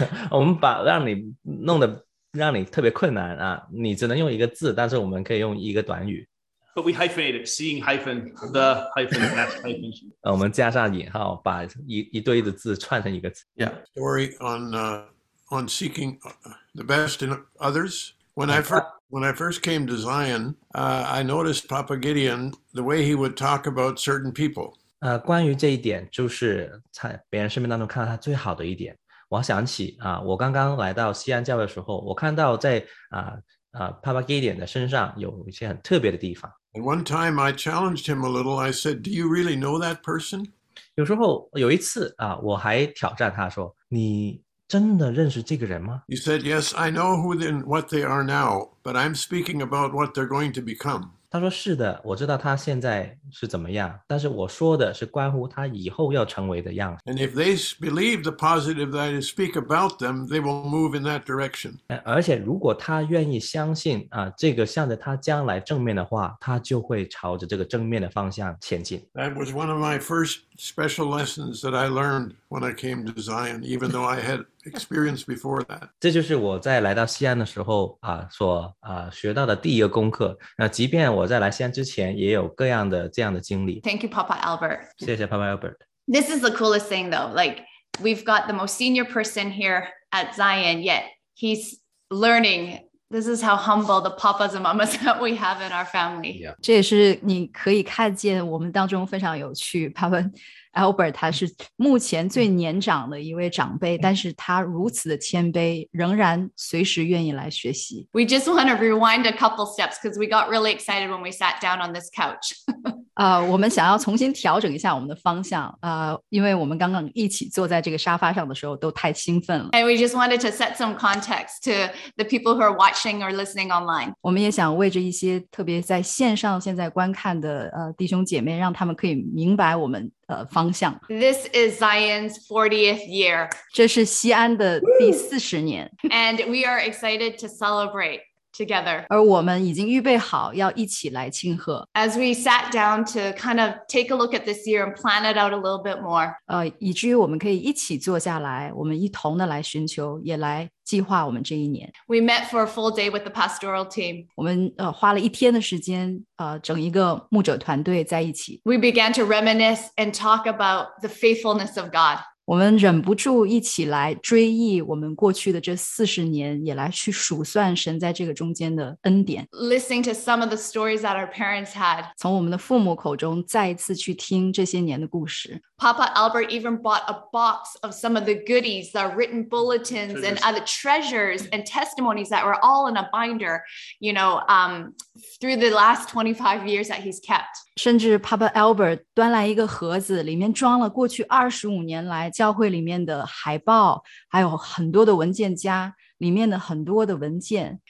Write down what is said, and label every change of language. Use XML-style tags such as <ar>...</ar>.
<zh>我们把让你弄得让你特别困难你只能用一个字，但是我们可以用一个短语。</zh> <en>But we hyphenated, seeing hyphen, the hyphen, that hyphen.</en> <zh>我们加上引号，把一堆的字串成一个词。</zh> <en>Yeah. Story on seeking the best in others. When I first came to Zion, I noticed Papa Gideon, the way he would talk about certain people.</en> <zh>关于这一点，就是在别人生命当中看到他最好的一点。我想起我刚刚来到西安教会的时候，我看到在Papa Gideon 的身上有一些很特别的地方。</zh> <en>And one time I challenged him a little. I said, "Do you really know that person?"</en> <zh>有时候有一次我还挑战他说，你真的认识这个人吗？</zh> <en>He said, "Yes, I know who and what they are now, but I'm speaking about what they're going to become."</en> <zh>他说是的，我知道他现在是怎么样，但是我说的是关乎他以后要成为的样子。</zh> <en>And if they believe the positive that I speak about them, they will move in that direction.</en> <zh>而且如果他愿意相信啊，这个向着他将来正面的话，他就会朝着这个正面的方向前进。</zh> <en>That was one of my first special lessons that I learned when I came to Zion, even though I had experience before that.</en> <zh>这就是我在来到西安的时候啊，所啊学到的第一个功课。那即便我在来西安之前也有各样的这样的经历。</zh> <en>Thank you, Papa Albert.</en> <zh>谢谢 Papa Albert.</zh> <en>This is the coolest thing though. Like, we've got the most senior person here at Zion, yet he's learning. This is how humble the papas and mamas that we have in our family. Yeah.</en> <zh>这也是你可以看见我们当中非常有趣 Papa Albert 他是目前最年长的一位长辈，但是他如此的谦卑，仍然随时愿意来学习。</zh> <en>We just want to rewind a couple steps because we got really excited when we sat down on this couch.</en> <zh>我们想要重新调整一下我们的方向，因为我们刚刚一起坐在这个沙发上的时候都太兴奋了。</zh> <en>And we just wanted to set some context to the people who are watching or listening online.</en> <zh>我们也想为着一些特别在线上现在观看的弟兄姐妹，让他们可以明白我们方向。</zh> <en>This is Zion's 40th year.</en> <zh>这是西安的第四十年。</zh> <en>And we are excited to celebrate together.</en> <zh>而我们已经预备好要一起来庆贺。</zh> <en>As we sat down to kind of take a look at this year and plan it out a little bit more.</en> <zh>以至于我们可以一起坐下来，我们一同的来寻求，也来计划我们这一年。</zh> <en>We met for a full day with the pastoral team.</en> <zh>我们花了一天的时间，整一个牧者团队在一起。</zh> <en>We began to reminisce and talk about the faithfulness of God.</en> <zh>我们忍不住一起来追忆我们过去的这四十年，也来去数算神在这个中间的恩典。</zh> <en>Listening to some of the stories that our parents had.</en> <zh>从我们的父母口中再一次去听这些年的故事。</zh> <en>Papa Albert even bought a box of some of the goodies, the written bulletins and other treasures and testimonies that were all in a binder, you know, through the last 25 years that he's kept.</en> <zh>甚至 Papa Albert 端来一个盒子，里面装了过去25年来教会里面的海报，还有很多的文件夹，里面的很多的文件。</zh>